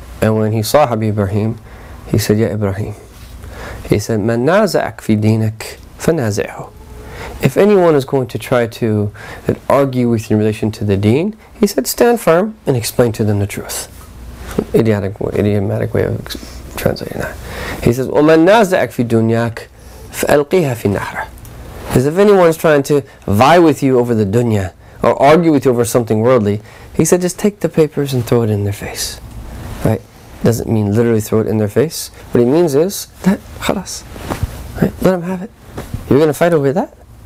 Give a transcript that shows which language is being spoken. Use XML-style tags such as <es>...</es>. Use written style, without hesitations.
<en>And when he saw Habib Ibrahim, he said, Ya Ibrahim, he said,</en> <ar>Man naza'ak fi dinak fanazi'hu.</ar> <en>If anyone is going to try to argue with you in relation to the deen, he said, stand firm and explain to them the truth. Idiomatic way of translating that. He says,</en> <ar>وَمَن نَازَعَكْ فِي دُنْيَاكْ فَأَلْقِيهَا فِي النَّهْرَ.</ar> <en>Because if anyone is trying to vie with you over the dunya, or argue with you over something worldly, he said, just take the papers and throw it in their face. Right? Doesn't mean literally throw it in their face. What he means is, that خلاص. Right? Let them have it. You're going to fight over that?</en>